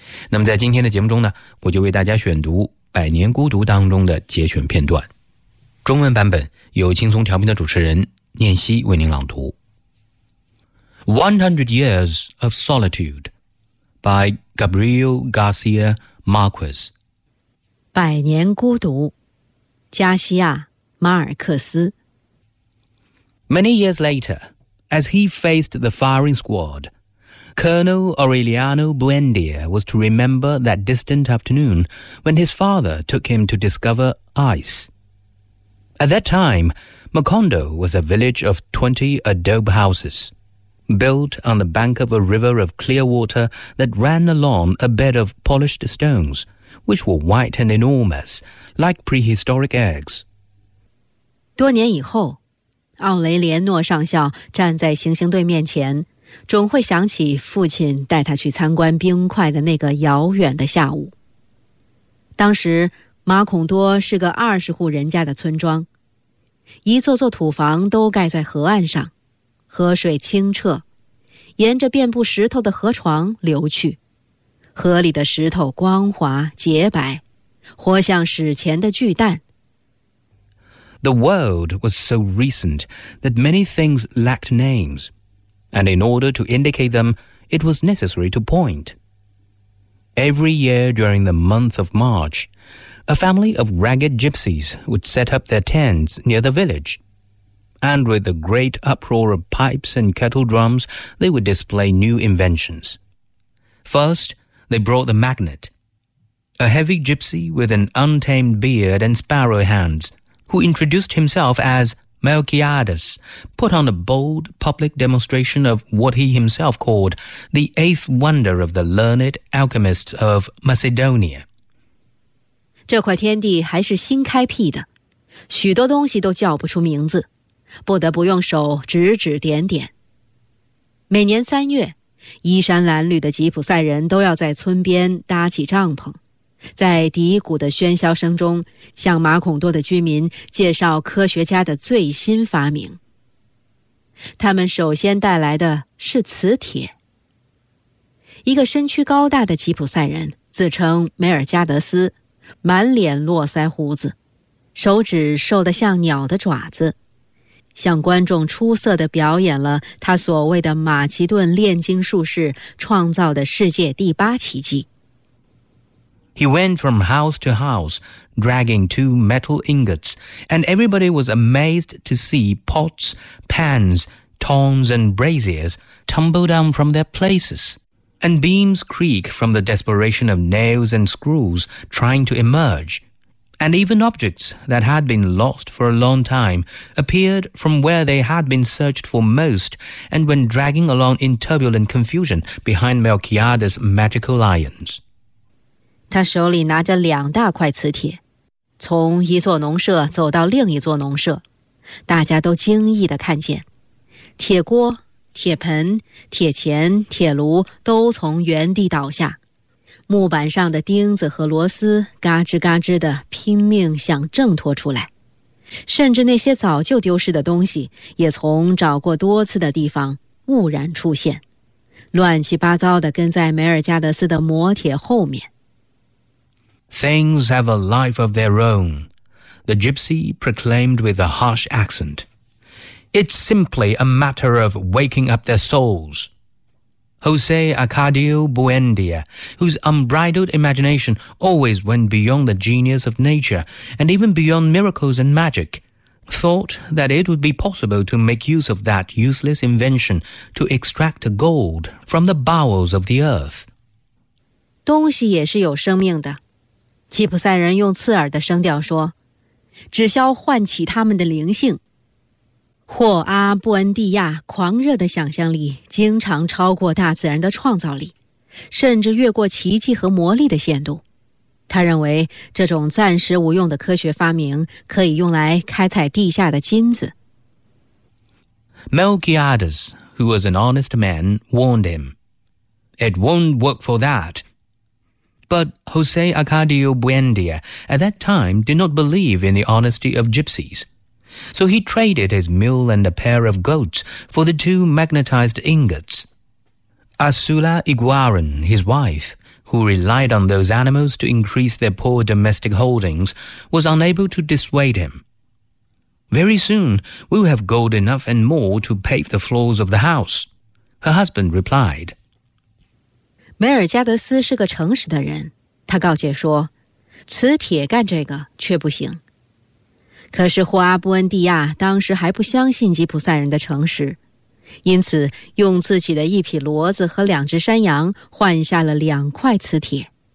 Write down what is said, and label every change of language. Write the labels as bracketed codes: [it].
[zh] 那么在今天的节目中呢，我就为大家选读《百年孤独》当中的节选片段，中文版本由轻松调频的主持人念希为您朗读。 [en] 100 Years of Solitude by Gabriel GarciaMarquez， [zh] 百年孤独，加西亚·马尔克斯。 [en] Many years later, as he faced the firing squad, Colonel Aureliano Buendia was to remember that distant afternoon when his father took him to discover ice. At that time, Macondo was a village of 20 adobe houses, built on the bank of a river of clear water that ran along a bed of polished stones, which were white and enormous, like prehistoric eggs. [zh] 多年以后，奥雷连诺上校站在行星队面前，总会想起父亲带他去参观冰块的那个遥远的下午。当时，马孔多是个20户人家的村庄，一座座土房都盖在河岸上，河水清澈，沿着遍布石头的河床流去，河里的石头光滑洁白，活像史前的巨蛋。 [en] The world was so recent that many things lacked names, and in order to indicate them, it was necessary to point. Every year during the month of March, a family of ragged gypsies would set up their tents near the village. And with the great uproar of pipes and kettle drums, they would display new inventions. First, they brought the magnet, a heavy gypsy with an untamed beard and sparrow hands, who introduced himself as Melchiades, put on a bold public demonstration of what he himself called the eighth wonder of the learned alchemists of Macedonia. [zh] 这块天地还是新开辟的，许多东西都叫不出名字。不得不用手指指点点。每年三月，衣衫褴褛的吉普赛人都要在村边搭起帐篷，在笛鼓的喧嚣声中向马孔多的居民介绍科学家的最新发明。他们首先带来的是磁铁。一个身躯高大的吉普赛人自称梅尔加德斯，满脸络腮胡子，手指瘦得像鸟的爪子，向观众出色地表演了他所谓的马其顿炼金术士创造的世界第八奇迹。 [en] He went from house to house, dragging two metal ingots, and everybody was amazed to see pots, pans, tongs, and braziers tumble down from their places, and beams creak from the desperation of nails and screws trying to emerge, and even objects that had been lost for a long time appeared from where they had been searched for most and went dragging along in turbulent confusion behind Melchiada's magical irons. [zh] 他手里拿着两大块磁铁，从一座农舍走到另一座农舍，大家都惊异地看见，铁锅、铁盆、铁钳、铁炉都从原地倒下，木板上的钉子和螺丝嘎吱嘎吱地拼命想挣脱出来，甚至那些早就丢失的东西也从找过多次的地方兀然出现，乱七八糟地跟在梅尔加德斯的磨铁后面。 [en] Things have a life of their own, the gypsy proclaimed with a harsh accent. It's simply a matter of waking up their souls. Jose Arcadio Buendia, whose unbridled imagination always went beyond the genius of nature and even beyond miracles and magic, thought that it would be possible to make use of that useless invention to extract gold from the bowels of the earth. [zh] 东西也是有生命的。吉普赛人用刺耳的声调说，只消唤起他们的灵性。霍阿布恩蒂亚狂热的想象力经常超过大自然的创造力，甚至越过奇迹和魔力的限度。他认为这种暂时无用的科学发明可以用来开采地下的金子。 [en] Melchiades, who was an honest man, warned him, It won't work for that. But Jose Arcadio Buendia at that time did not believe in the honesty of gypsies. So he traded his mule and a pair of goats for the two magnetized ingots. Azula Iguaran, his wife, who relied on those animals to increase their poor domestic holdings, was unable to dissuade him. Very soon, we'll have gold enough and more to pave the floors of the house, her husband replied. [zh] 梅尔加德斯是个诚实的人，他告诫说，磁铁干这个却不行。可是霍阿布恩蒂亚当时还不相信吉普赛人的诚实，因此用自己的一匹骡子和两只山羊换下了两块磁铁。